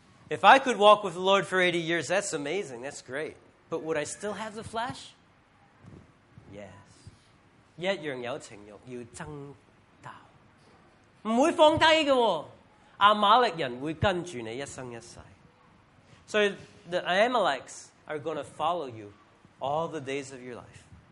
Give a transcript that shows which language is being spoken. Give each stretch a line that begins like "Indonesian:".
English: If I could walk with the Lord for 80 years, that's amazing, that's great. But would I still have the flesh? Yes.
Chinese: 一样有情欲,要增大。不会放低的。阿玛力人会跟着你一生一世。
English: So the Amalekites are going to follow you all the days of your life.